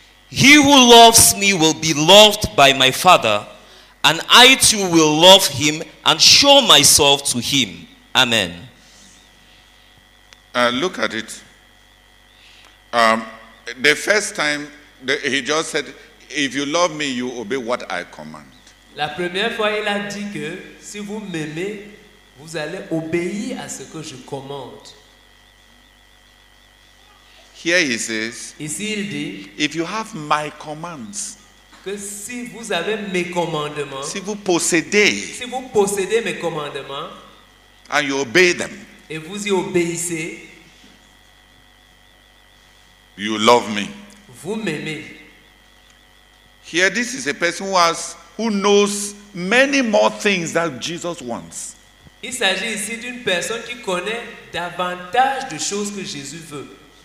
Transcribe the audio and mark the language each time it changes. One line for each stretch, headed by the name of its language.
English: He who loves me will be loved by my Father, and I too will love him and show myself to him. Amen. Look at it. The first time, he just said, if you love me, you obey what I command.
French: La première fois, il a dit que si vous m'aimez, vous allez obéir à ce que je commande.
English: Here he says,
French: ici il dit,
English: if you have my commands,
French: que si vous avez mes commandements, si vous possédez mes commandements,
English: and you obey them,
French: et vous y obéissez,
English: you love me.
French: Vous m'aimez.
English: Here, this is a person who knows many more things that Jesus wants.
French: Il s'agit ici d'une personne qui connaît davantage de choses que Jésus veut.